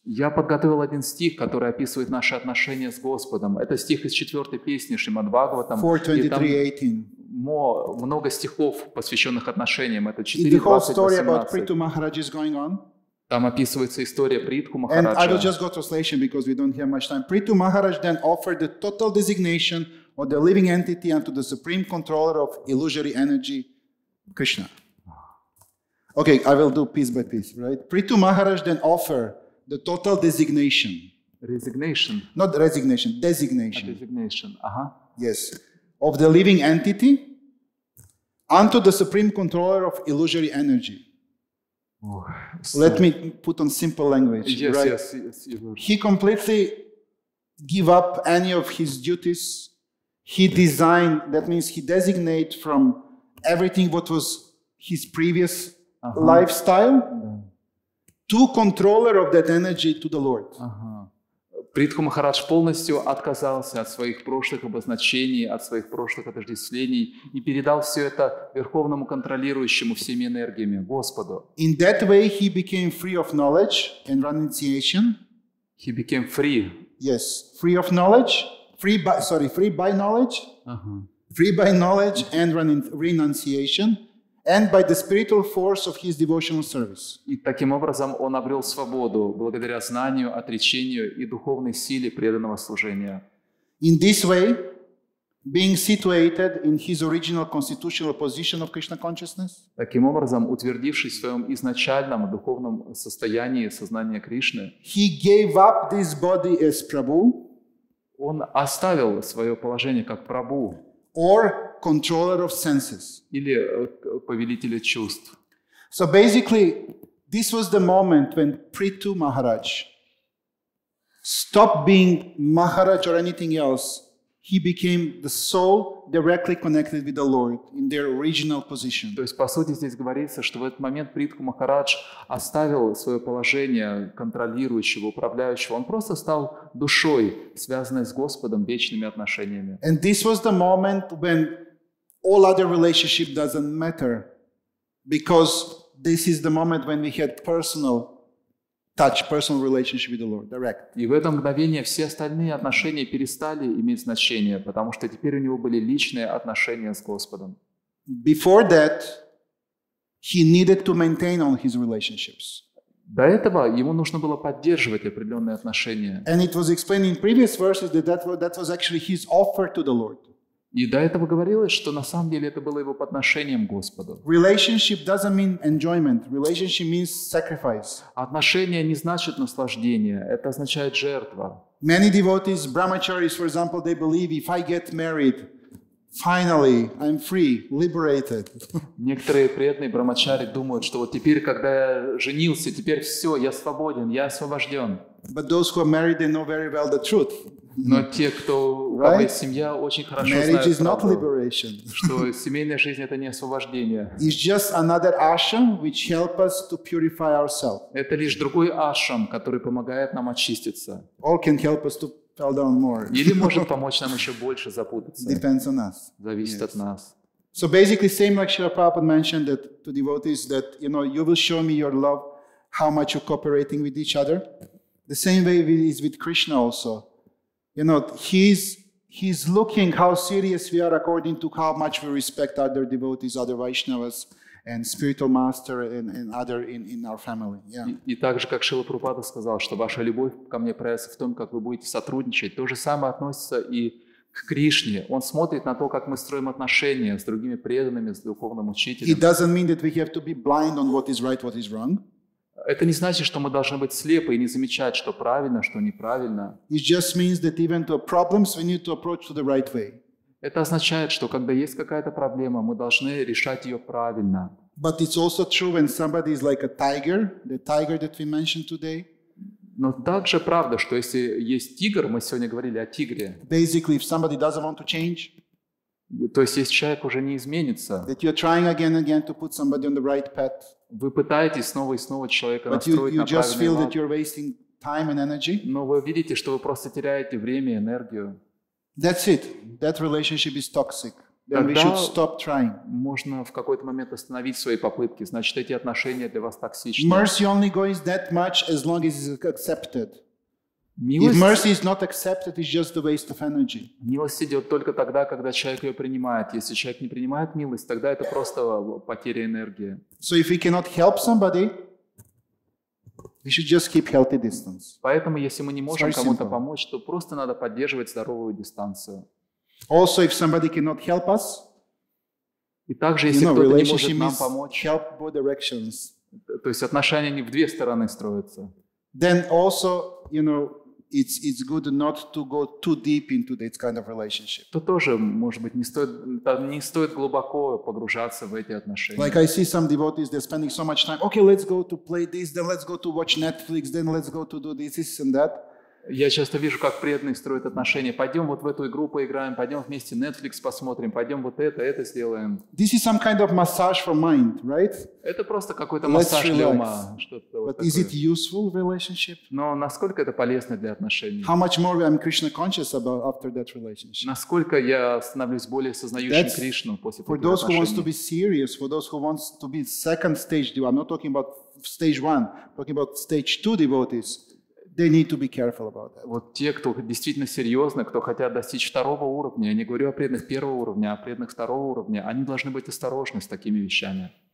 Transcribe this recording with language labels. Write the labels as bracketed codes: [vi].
[ru] Я подготовил один стих, который описывает наши отношения с Господом. Это стих из четвертой песни Шримад Бхагаватам. 4:23:18. Много стихов, посвященных отношениям. Это 4:23:18. Там описывается история Притху Махараджа. [en] And I will just go to translation because we don't have much time. Притху Махарадж then offered the total designation of the living entity unto the supreme controller of illusory energy, Krishna. Okay, I will do piece by piece, right? Prithu Maharaj then offer the total designation. Resignation. Not resignation, designation. A designation, Yes. Of the living entity unto the supreme controller of illusory energy. Let me put on simple language. Yes, he completely give up any of his duties. He designed, that means he designate from everything what was his previous lifestyle to controller of that energy to the Lord. [ru] Притху Махарадж полностью отказался от своих прошлых обозначений, от своих прошлых отождествлений и передал все это верховному контролирующему всеми энергиями, Господу. [en] In that way he became free of knowledge and renunciation. He became free. Yes, free of knowledge, free by knowledge. Free by knowledge and renunciation. And by the spiritual force of his devotional service. [ru] И таким образом он обрел свободу благодаря знанию, отречению и духовной силе преданного служения. [en] In this way, being situated in his original constitutional position of Krishna consciousness. [ru] Таким образом, утвердившись в своем изначальном духовном состоянии сознания Кришны. [en] He gave up this body as Prabhu. [ru] Он оставил свое положение как Прабху. [en] Or controller of senses. [ru] Или повелителя чувств. [en] So basically, this was the moment when Prithu Maharaj stopped being Maharaj or anything else. he became the soul directly connected with the Lord in their original position. [ru] То есть, по сути, здесь говорится, что в этот момент Притху Махарадж оставил свое положение контролирующего, управляющего. Он просто стал душой, связанной с Господом, вечными отношениями. [en] And this was the moment when all other relationship doesn't matter, because this is the moment when we had personal touch, personal relationship with the Lord, direct. [ru] И в это мгновение все остальные отношения перестали иметь значение, потому что теперь у него были личные отношения с Господом. [en] Before that, he needed to maintain all his relationships. [ru] До этого ему нужно было поддерживать определенные отношения. [en] And it was explained in previous verses that was actually his offer to the Lord. [ru] И до этого говорилось, что на самом деле это было его подношением Господу. [en] Relationship doesn't mean enjoyment. Relationship means sacrifice. [ru] Отношение не значит наслаждение. Это означает жертва. [en] Many devotees, brahmacharis, for example, they believe if I get married, finally, I'm free, liberated. [ru] Некоторые преданные брахмачари думают, что вот теперь, когда я женился, теперь все, я свободен, я освобожден. [en] But those who are married, they know very well the truth. [ru] Но те, кто [en] right? [ru] семья, очень хорошо [en] Marriage [ru] знают правду, что семейная жизнь — это не освобождение. [en] It's just another ashram which helps us to purify ourselves. [ru] Это лишь другой ашрам, который помогает нам очиститься. [en] Or can help us to fall down more. [ru] Или может помочь нам еще больше запутаться. [en] Depends on us. [ru] Зависит [en] yes. [ru] от нас. [en] So basically, same like Srila Prabhupada mentioned that to devotees that you know you will show me your love, how much you're cooperating with each other. The same way is with Krishna also. You know, he's looking how serious we are according to how much we respect other devotees, other Vaishnavas, and spiritual master and other in our family. Yeah. [ru] И также, как Шрила Прабхупада сказал, что ваша любовь ко мне проявится в том, как вы будете сотрудничать. То же самое относится и к Кришне. Он смотрит на то, как мы строим отношения с другими преданными, с духовным учителем. [en] It doesn't mean that we have to be blind on what is right, what is wrong. [ru] Это не значит, что мы должны быть слепы и не замечать, что правильно, что неправильно. [en] It just means that even to problems we need to approach to the right way. [ru] Это означает, что когда есть какая-то проблема, мы должны решать ее правильно. [en] But it's also true when somebody is like a tiger, the tiger that we mentioned today. [ru] Но также правда, что если есть тигр, мы сегодня говорили о тигре. [en] Basically, if somebody doesn't want to change. [ru] То есть, если человек уже не изменится, [en] that you're trying again and again to put somebody on the right path. [ru] Вы пытаетесь снова и снова человека [en] But [ru] настроить [en] you [ru] на [en] just [ru] правильный [en] feel that you're wasting time and energy. [ru] Но вы видите, что вы просто теряете время и энергию. [en] That's it. That relationship is toxic. Then [ru] Тогда [en] we should stop trying. [ru] Можно в какой-то момент остановить свои попытки. Значит, эти отношения для вас токсичны. [en] Mercy only goes that much as long as it's accepted. [ru] Милость... [en] If mercy is not accepted, it's just a waste of energy. [ru] Милость идет только тогда, когда человек ее принимает. Если человек не принимает милость, тогда это просто потеря энергии. [en] So if we cannot help somebody, we should just keep healthy distance. [ru] Поэтому, если мы не можем кому-то помочь, то просто надо поддерживать здоровую дистанцию. [en] Also, if somebody cannot help us, [ru] и также, если [en] you know, [ru] кто-то не может нам помочь, [en] help both directions. [ru] То есть отношения не в две стороны строятся. [en] Then also, you know, it's good not to go too deep into that kind of relationship. [ru] То тоже, может быть, не стоит глубоко погружаться в эти отношения. [en] Like I see some devotees, they're spending so much time. Okay, let's go to play this, then let's go to watch Netflix, then let's go to do this and that. [ru] Я часто вижу, как преданные строят отношения. Пойдем вот в эту игру поиграем, пойдем вместе Netflix посмотрим, пойдем вот это сделаем. [en] This is some kind of massage for mind, right? [ru] Это просто какой-то массаж для ума. Что-то [en] But [ru] вот [en] is [ru] такое. [en] It useful relationship? [ru] Но насколько это полезно для отношений? [en] How much more I'm Krishna conscious about after that relationship? [ru] Насколько я становлюсь более сознающим [en] That's [ru] Кришну после таких отношений? [en] For those who wants to be serious, for those who wants to be second stage devotees, I'm not talking about stage one, I'm talking about stage two devotees. They need to be careful about that. [ru] Вот те, кто действительно серьезны, кто хотят достичь второго уровня, я не говорю о преданных первого уровня, а о преданных второго уровня, они должны быть осторожны с такими вещами.